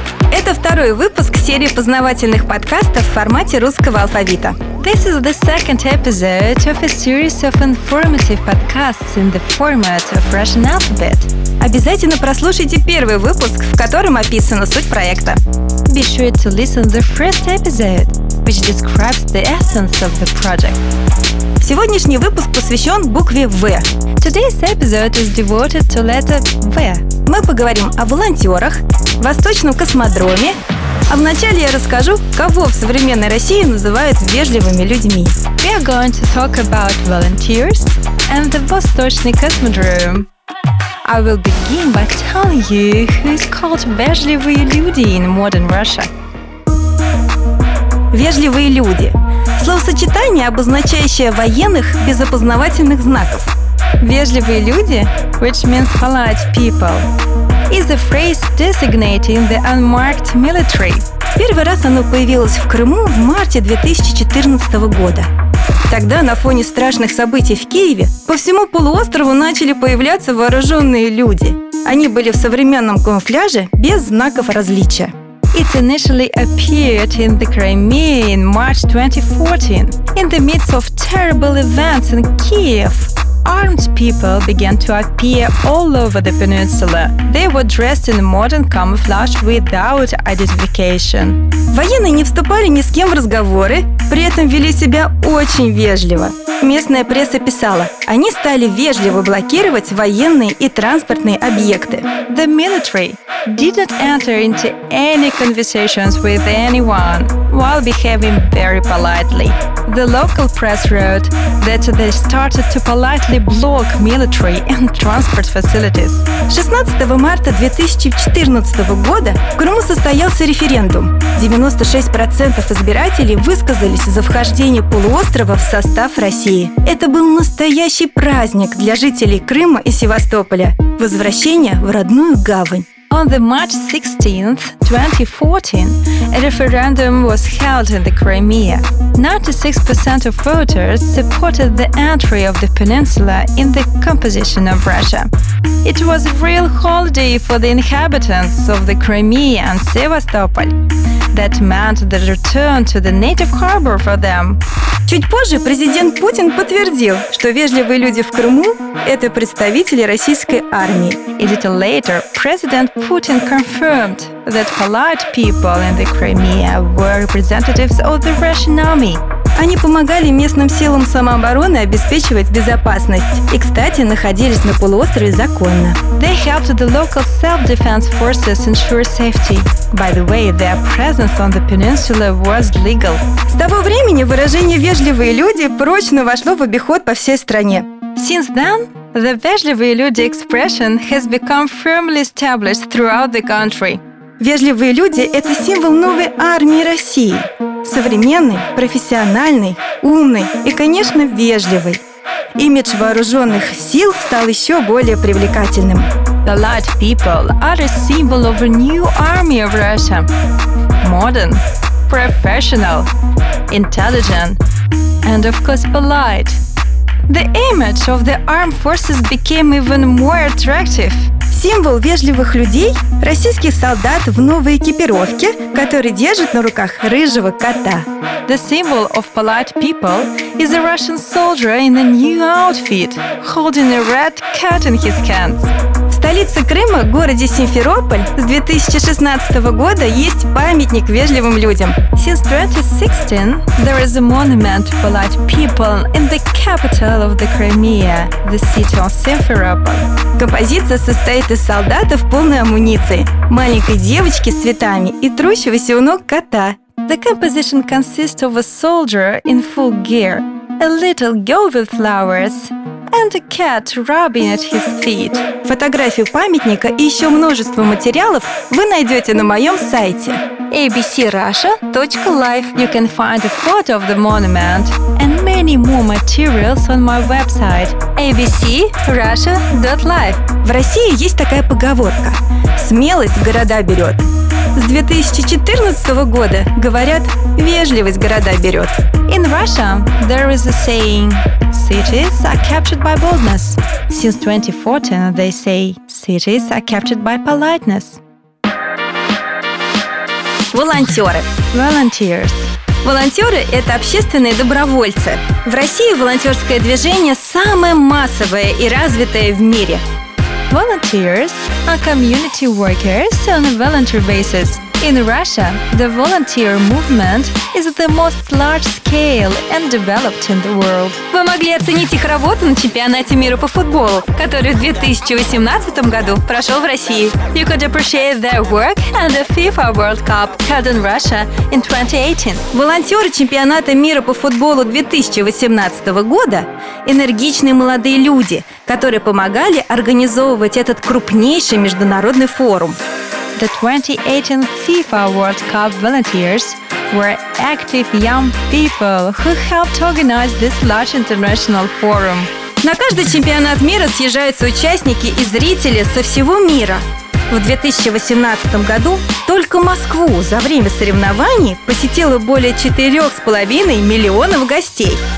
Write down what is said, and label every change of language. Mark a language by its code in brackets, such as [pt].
[ru] Это второй выпуск серии познавательных подкастов в формате русского алфавита. [en] This is the second episode of a series of informative podcasts in the format of Russian alphabet. [ru] Обязательно прослушайте первый выпуск, в котором описана суть проекта. [en] Be sure to listen to the first episode, which describes the essence of the project. [ru] Сегодняшний выпуск посвящен букве «В». [en] Today's episode is devoted to letter «В». [ru] Мы поговорим о волонтерах, Восточном космодроме, а вначале я расскажу, кого в современной России называют вежливыми людьми. [en] We are going to talk about volunteers and the Восточный космодром. I will begin by telling you who is called [ru] вежливые люди [en] in modern Russia. [ru] Вежливые люди. Словосочетание, обозначающее военных без опознавательных знаков. Вежливые люди, [en] which means polite people, is a phrase designating the unmarked military. [ru] Первый раз оно появилось в Крыму в марте 2014 года. Тогда на фоне страшных событий в Киеве по всему полуострову начали появляться вооруженные люди. Они были в современном камуфляже без знаков различия. [en] It initially appeared in the Crimea in March 2014. In the midst of terrible events in Kiev, armed people began to appear all over the peninsula. They were dressed in modern camouflage without identification. [ru] Военные не вступали ни с кем в разговоры, при этом вели себя очень вежливо. Местная пресса писала, они стали вежливо блокировать военные и транспортные объекты. [en] The military didn't enter into any conversations with anyone while behaving very politely. The local press wrote that they started to politely block military and transport facilities. [ru] 16 марта 2014 года в Крыму состоялся референдум. 96% избирателей высказались за вхождение полуострова в состав России. Это был настоящий праздник для жителей Крыма и Севастополя. Возвращение в родную гавань. [en] On the March 16th, 2014, a referendum was held in the Crimea. 96% of voters supported the entry of the peninsula in the composition of Russia. It was a real holiday for the inhabitants of the Crimea and Sevastopol. That meant the return to the native harbor for them. [ru] Чуть позже президент Путин подтвердил, что вежливые люди в Крыму – это представители российской армии. [en] A little later, President Putin confirmed that polite people in the Crimea were representatives of the Russian army. [ru] Они помогали местным силам самообороны обеспечивать безопасность и, кстати, находились на полуострове законно. [en] They helped the local self-defense forces ensure safety. By the way, their presence on the peninsula was legal. [ru] С того времени выражение «вежливые люди» прочно вошло в обиход по всей стране. [en] Since then, the [ru] «вежливые люди» [en] expression has become firmly established throughout the country. [ru] Вежливые люди – это символ новой армии России. Современный, профессиональный, умный и, конечно, вежливый. Имидж вооруженных сил стал еще более привлекательным. [en] Polite people are a symbol of a new army of Russia. Modern, professional, intelligent, and of course polite. The image of the armed forces became even more attractive. [ru] Символ вежливых людей – российский солдат в новой экипировке, который держит на руках рыжего кота. [en] The symbol of polite people is a Russian soldier in a new outfit, holding a red cat in his hands. [ru] В столице Крыма, городе Симферополь, с 2016 года есть памятник вежливым людям. [en] Since 2016, there is a monument to polite people in the capital of the Crimea, the city of Simferopol. [ru] Композиция состоит из солдата в полной амуниции, маленькой девочки с цветами и трущегося у ног кота. [en] The composition consists of a soldier in full gear, a little girl with flowers, and a cat rubbing at his feet. [ru] Фотографию памятника и еще множество материалов вы найдете на моем сайте abcrussia.live. [en] You can find a photo of the monument and many more materials on my website abcrussia.live. [ru] В России есть такая поговорка: смелость города берет. С 2014 года, говорят, вежливость города берет. [en] In Russia, there is a saying, cities are captured by boldness. Since 2014, they say, cities are captured by politeness. [ru] Волонтеры. [en] Volunteers. [ru] Волонтеры – это общественные добровольцы. В России волонтерское движение самое массовое и развитое в мире. [en] Volunteers are community workers on a volunteer basis. In Russia, the volunteer movement is the most large scale and developed in the world. [ru] Вы могли оценить их работу на чемпионате мира по футболу, который в 2018 году прошел в России. [en] You could appreciate their work at the FIFA World Cup held in Russia in 2018. [ru] Волонтеры чемпионата мира по футболу 2018 года – энергичные молодые люди, которые помогали организовывать этот крупнейший международный форум. [en] The 2018 FIFA World Cup volunteers were active young people who helped organize this large international forum. [ru] На каждый чемпионат мира съезжаются участники и зрители со всего мира. В 2018 году только Москву за время соревнований посетило более 4,5 миллионов гостей.